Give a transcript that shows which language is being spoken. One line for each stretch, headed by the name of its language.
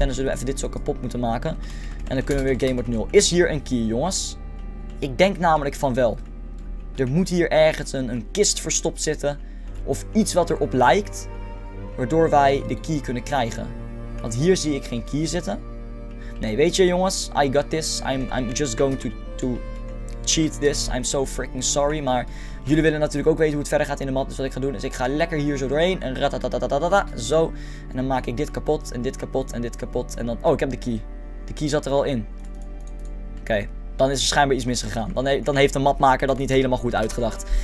Dutch: En dan zullen we even dit zo kapot moeten maken. En dan kunnen we weer game mode 0. Is hier een key, jongens? Ik denk namelijk van wel. Er moet hier ergens een kist verstopt zitten. Of iets wat erop lijkt. Waardoor wij de key kunnen krijgen. Want hier zie ik geen key zitten. Nee, weet je, jongens,
English: I got this. I'm just going to cheat this. I'm so freaking sorry.
Dutch: Maar jullie willen natuurlijk ook weten hoe het verder gaat in de map. Dus wat ik ga doen is, ik ga lekker hier zo doorheen. En ratatatatatata, zo. En dan maak ik dit kapot, en dit kapot, en dit kapot. En dan, oh, ik heb de key. De key zat er al in. Oké, dan is er schijnbaar iets misgegaan. Dan heeft de mapmaker dat niet helemaal goed uitgedacht.